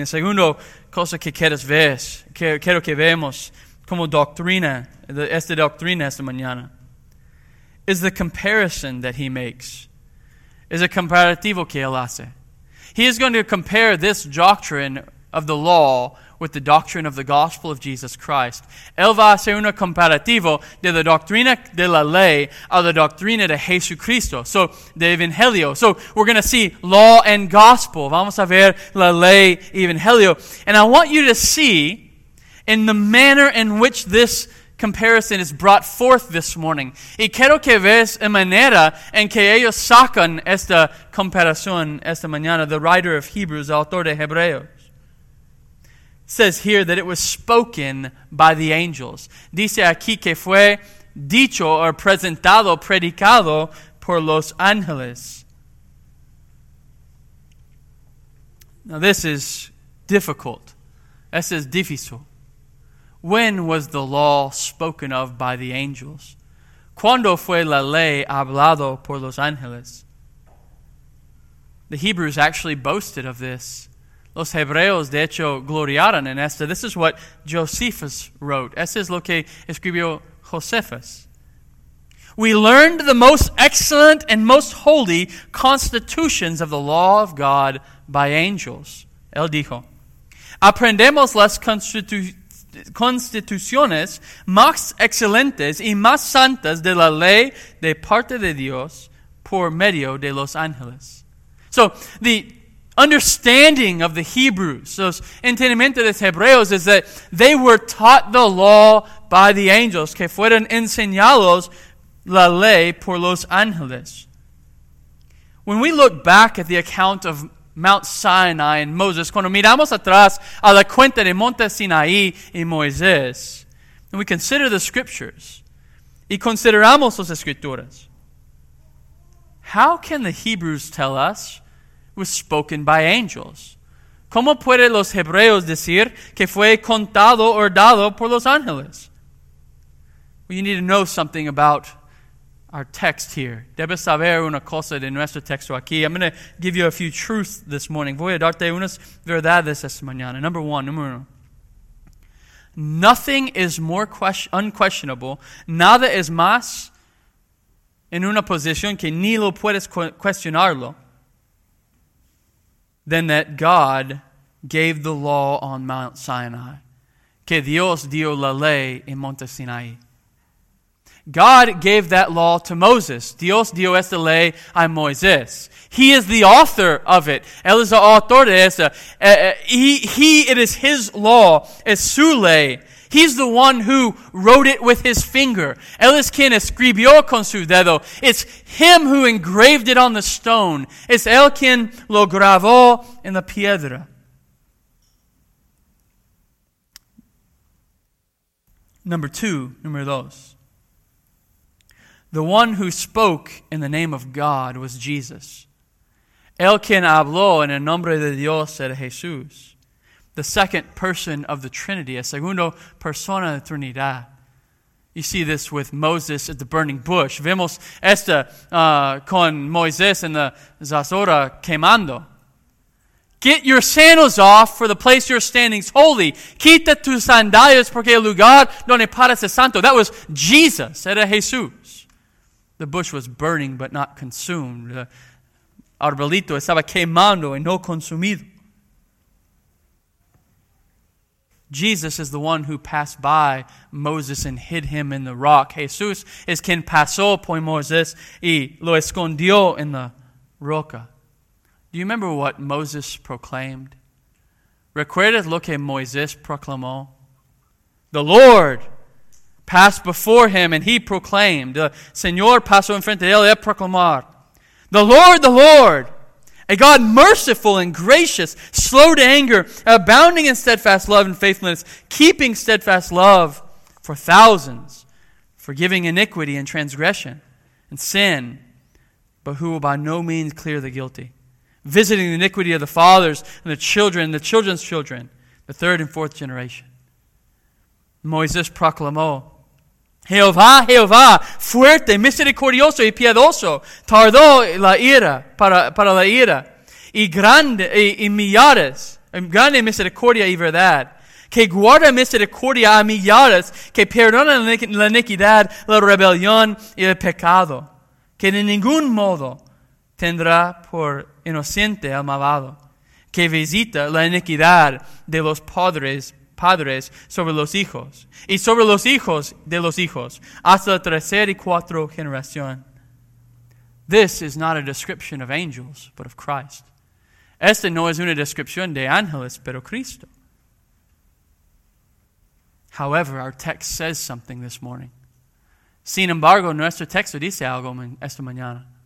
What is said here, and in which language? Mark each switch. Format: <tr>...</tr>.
<es>The segundo cosa que quieres ver, quiero que veamos como doctrina, esta doctrina esta mañana,</es> <en>is the comparison that he makes.</en> <es>Es el comparativo que él hace.</es> <en>He is going to compare this doctrine of the law with the doctrine of the gospel of Jesus Christ.</en> <es>Él va a hacer un comparativo de la doctrina de la ley a la doctrina de Jesucristo, so de Evangelio.</es> <en>So we're going to see law and gospel.</en> <es>Vamos a ver la ley y Evangelio.</es> <en>And I want you to see in the manner in which this comparison is brought forth this morning.</en> <es>Y quiero que veas la manera en que ellos sacan esta comparación esta mañana.</es> <en>The writer of Hebrews,</en> <es>el autor de Hebreos,</es> <en>says here that it was spoken by the angels.</en> <es>Dice aquí que fue dicho o presentado, predicado por los ángeles.</es> <en>Now this is difficult.</en> <es>Esto es difícil.</es> <en>When was the law spoken of by the angels?</en> <es>¿Cuándo fue la ley hablado por los ángeles?</es> <en>The Hebrews actually boasted of this.</en> <es>Los Hebreos, de hecho, gloriaron en esto.</es> <en>This is what Josephus wrote.</en> <es>Esto es lo que escribió Josephus.</es> <en>We learned the most excellent and most holy constitutions of the law of God by angels.</en> <es>Él dijo, aprendemos las constituciones más excelentes y más santas de la ley de parte de Dios por medio de los ángeles.</es> <en>So, the understanding of the Hebrews,</en> <es>los entendimientos de los Hebreos,</es> <en>is that they were taught the law by the angels,</en> <es>que fueron enseñados la ley por los ángeles.</es> <en>When we look back at the account of Mount Sinai and Moses,</en> <es>cuando miramos atrás a la cuenta de Monte Sinaí y Moisés,</es> <en>and we consider the scriptures,</en> <es>y consideramos las escrituras,</es> <en>how can the Hebrews tell us it was spoken by angels?</en> <es>¿Cómo pueden los Hebreos decir que fue contado o dado por los ángeles?</es> <en>Well, you need to know something about our text here.</en> <es>Debes saber una cosa de nuestro texto aquí.</es> <en>I'm going to give you a few truths this morning.</en> <es>Voy a darte unas verdades esta mañana.</es> <en>Number one,</en> <es>número uno.</es> <en>Nothing is more unquestionable.</en> <es>Nada es más en una posición que ni lo puedes cuestionarlo</es> <en>than that God gave the law on Mount Sinai.</en> <es>Que Dios dio la ley en Monte Sinaí.</es> <en>God gave that law to Moses.</en> <es>Dios dio esta ley a Moisés.</es> <en>He is the author of it.</en> <es>Él es el autor de esta.</es> <en>It is his law.</en> <es>Es su ley.</es> <en>He's the one who wrote it with his finger.</en> <es>Él es quien escribió con su dedo.</es> <en>It's him who engraved it on the stone.</en> <es>Es él quien lo grabó en la piedra. Número dos.</es> <en>The one who spoke in the name of God was Jesus.</en> <es>El quien habló en el nombre de Dios era Jesús.</es> <en>The second person of the Trinity,</en> <es>a segundo persona de Trinidad,</es> <en>You see this with Moses at the burning bush.</en> <es>Vemos esta con Moisés en la zarza quemando.</es> <en>Get your sandals off, for the place you're standing is holy.</en> <es>Quita tus sandalias, porque el lugar donde paras es santo.</es> <en>That was Jesus.</en> <es>Era Jesús.</es> <en>The bush was burning, but not consumed.</en> <es>The arbolito estaba quemando y no consumido.</es> <en>Jesus is the one who passed by Moses and hid him in the rock.</en> <es>Jesús es quien pasó por Moisés y lo escondió en la roca.</es> <en>Do you remember what Moses proclaimed?</en> <es>¿Recuerdas lo que Moisés proclamó?</es> <en>The Lord passed before him and he proclaimed.</en> <es>El Señor pasó enfrente de él y él proclamó.</es> <en>The Lord, a God merciful and gracious, slow to anger, abounding in steadfast love and faithfulness, keeping steadfast love for thousands, forgiving iniquity and transgression and sin, but who will by no means clear the guilty. Visiting the iniquity of the fathers and the children, the children's children, the third and fourth generation.</en> <es>Moisés proclamó, Jehová, Jehová, fuerte, misericordioso y piadoso, tardó la ira, para la ira, y grande, y millares, grande misericordia y verdad, que guarda misericordia a millares, que perdona la iniquidad, la rebelión y el pecado, que de ningún modo tendrá por inocente al malvado, que visita la iniquidad de los padres sobre los hijos y sobre los hijos de los hijos hasta la tercera y cuarta generación.</es> <en>This is not a description of angels, but of Christ.</en> <es>Esta no es una descripción de ángeles, pero Cristo.</es> <en>However, our text says something this morning.</en> <es>Sin embargo, nuestro texto dice algo esta mañana.</es>